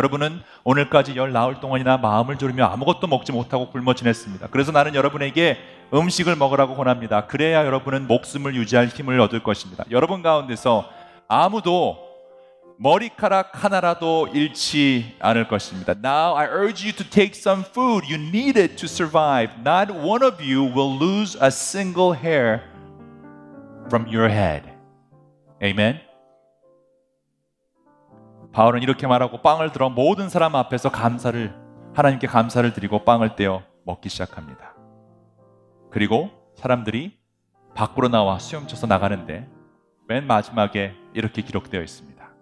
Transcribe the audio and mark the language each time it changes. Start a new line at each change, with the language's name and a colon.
Korean: 여러분은 오늘까지 열 나흘 동안이나 마음을 졸이며 아무것도 먹지 못하고 굶어 지냈습니다. 그래서 나는 여러분에게 음식을 먹으라고 권합니다. 그래야 여러분은 목숨을 유지할 힘을 얻을 것입니다. 여러분 가운데서 아무도 머리카락 하나라도 잃지 않을 것입니다.
English: Now I urge you to take some food. You need it to survive. Not one of you will lose a single hair from your head. Amen.
Korean: 바울은 이렇게 말하고 빵을 들어 모든 사람 앞에서 감사를 하나님께 감사를 드리고 빵을 떼어 먹기 시작합니다. 그리고 사람들이 밖으로 나와 수염쳐서 나가는데 맨 마지막에 이렇게 기록되어 있습니다.